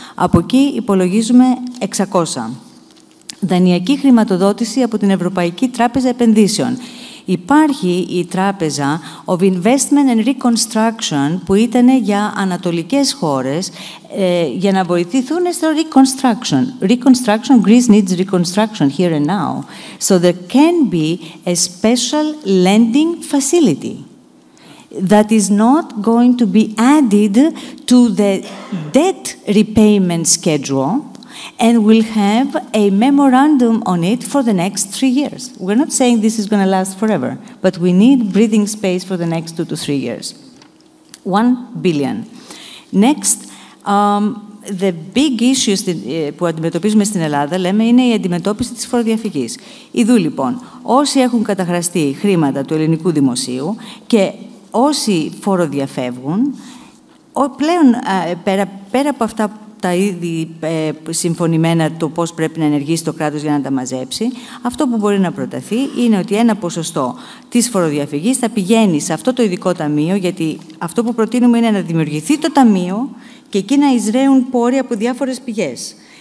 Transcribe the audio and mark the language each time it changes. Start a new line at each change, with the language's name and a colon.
Greek: Από εκεί υπολογίζουμε 600. Δανειακή χρηματοδότηση από την Ευρωπαϊκή Τράπεζα Επενδύσεων. Υπάρχει η τράπεζα
English: of Investment and Reconstruction
Greek: που ήταν για ανατολικές χώρες για να βοηθηθούν στο reconstruction.
English: Reconstruction, Greece needs reconstruction here and now. So there can be a special lending facility that is not going to be added to the debt repayment schedule and will have a memorandum on it for the next 3 years. We're not saying this is going to last forever, but we need breathing space for the next 2 to 3 years. 1 billion. Next, the big issues
Greek: που αντιμετωπίζουμε στην Ελλάδα, λέμε, είναι η αντιμετώπιση της φοροδιαφυγής. Ιδού, λοιπόν, όσοι έχουν καταχραστεί χρήματα του ελληνικού δημοσίου και όσοι φοροδιαφεύγουν, πλέον, πέρα από αυτά τα ήδη συμφωνημένα το πώς πρέπει να ενεργήσει το κράτος για να τα μαζέψει, αυτό που μπορεί να προταθεί είναι ότι ένα ποσοστό της φοροδιαφυγής θα πηγαίνει σε αυτό το ειδικό ταμείο, γιατί αυτό που προτείνουμε είναι να δημιουργηθεί το ταμείο και εκεί να εισραίουν πόροι από διάφορες πηγές.